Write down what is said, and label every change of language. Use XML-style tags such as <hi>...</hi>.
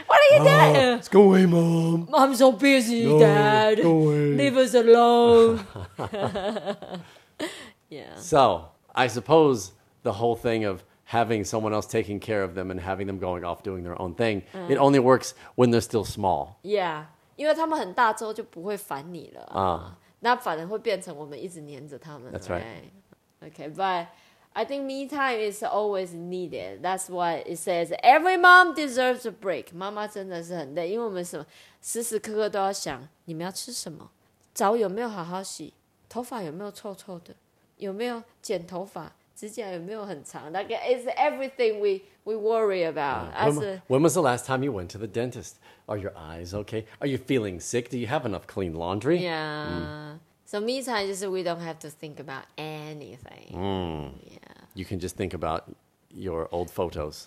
<en>What are you doing? Let's go away, Mom. I'm so busy, no, Dad. Go away. Leave us alone. Yeah. So, I suppose the whole thing of... having someone else taking care of them and having them going off doing their own thing. Mm. It only works when they're still small. Yeah.</en> <zh>因为他们很大之后就不会烦你了。那反而会变成我们一直黏着他们。</zh> <en>That's right. Okay, but I think me time is always needed. That's why it says every mom deserves a break.</en> <zh>妈妈真的是很累，因为我们什么时时刻刻都要想你们要吃什么，澡有没有好好洗，头发有没有臭臭的，有没有剪头发，指甲有没有很长？</zh> <en>Like, it's everything we worry about. When was the last time you went to the dentist? Are your eyes okay? Are you feeling sick? Do you have enough clean laundry? Yeah. Mm. So me time, just we don't have to think about anything. Mm. Yeah. You can just think about your old photos.</en>